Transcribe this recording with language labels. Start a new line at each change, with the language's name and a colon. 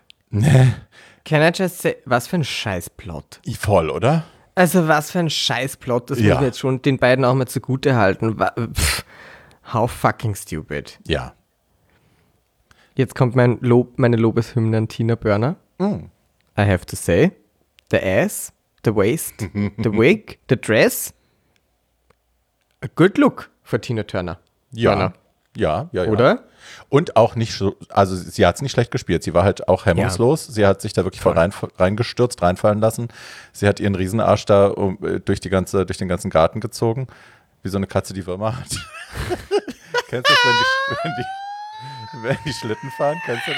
English: Can I just say,
German: was für ein Scheißplot? Voll, oder? Also was für ein Scheißplot, das muss ich jetzt schon den beiden auch mal zugute halten.
English: How fucking stupid.
German: Ja. Jetzt kommt meine Lobeshymne an Tina Burner.
English: Mm. I have to say, the ass, the waist, the wig, the dress, a good look for Tina Turner.
German: Ja. Turner. Ja. Oder? Und auch nicht so, also sie hat es nicht schlecht gespielt. Sie war halt auch hemmungslos. Ja. Sie hat sich da wirklich reingestürzt, reinfallen lassen. Sie hat ihren Riesenarsch da durch den ganzen Garten gezogen. Wie so eine Katze, die Würmer hat. Kennst du das, wenn die Schlitten fahren? Kennst du das?